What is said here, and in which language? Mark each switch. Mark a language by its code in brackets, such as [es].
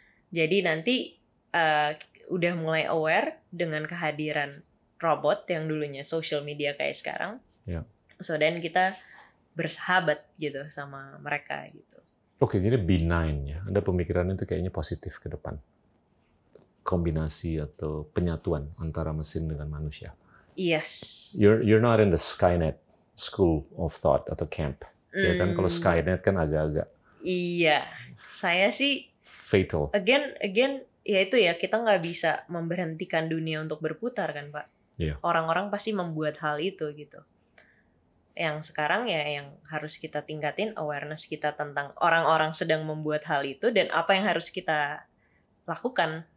[id] Jadi nanti udah mulai aware dengan kehadiran robot yang dulunya social media kayak sekarang. Yeah. [en] So then [id] kita bersahabat gitu sama mereka gitu. Oke, okay, jadi benign ya. Ada pemikiran itu kayaknya positif ke depan. Kombinasi atau penyatuan antara mesin dengan manusia. [en] Yes. You're not in the Skynet school of thought [id] atau [en] camp. [id] Ya kan kalau Skynet kan agak-agak. Iya. Saya sih fatal. [en] Again [id] ya itu ya kita nggak bisa memberhentikan dunia untuk berputar kan, Pak. Iya. Orang-orang pasti membuat hal itu gitu. Yang sekarang ya yang harus kita tingkatin awareness kita tentang orang-orang sedang membuat hal itu dan apa yang harus kita lakukan.